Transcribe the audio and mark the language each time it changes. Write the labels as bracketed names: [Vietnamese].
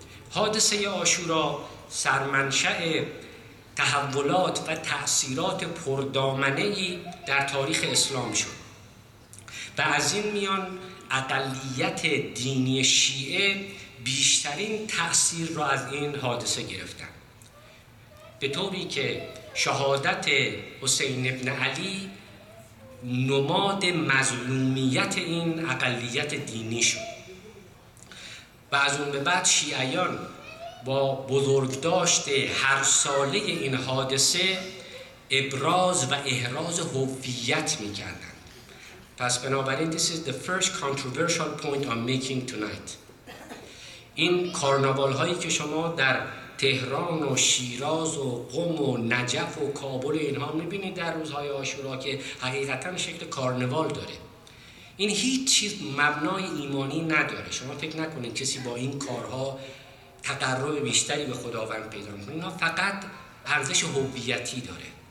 [Persian] حادثه عاشورا سرمنشأ تحولات و تأثیرات پردامنه‌ای در تاریخ اسلام شد و از این میان اقلیت دینی شیعه بیشترین تأثیر را از این حادثه گرفتن، به طوری که شهادت حسین ابن علی نماد مظلومیت این اقلیت دینی شد و از اون به بعد شیعیان با بزرگداشت هر ساله این حادثه ابراز و احراز هویت می‌کردند. پس بنابراین [English] this is the first controversial point I'm making tonight. [Persian] این کارناوال هایی که شما در تهران و شیراز و قم و نجف و کابل اینها می‌بینید در روزهای عاشورا که حقیقتاً شکل کارناوال داره، این هیچ چیز مبنای ایمانی نداره. شما فکر نکنید کسی با این کارها تقرب بیشتری به خداوند پیدا می‌کنه، اینا فقط ارزش هویتی داره.